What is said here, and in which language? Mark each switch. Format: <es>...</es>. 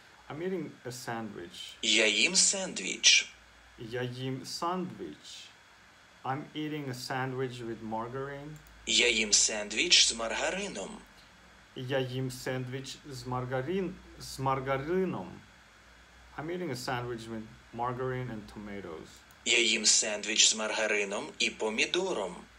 <en>I'm eating a sandwich.</en> <uk>Я їм сендвіч. Я їм сандвіч.</uk> <en>I'm eating a sandwich with margarine.</en> <uk>Я їм сендвіч з маргарином. Я їм сендвіч з маргарином.</uk> <en>I'm eating a sandwich with margarine and tomatoes.</en> <uk>Я їм сендвіч з маргарином і помідором.</uk>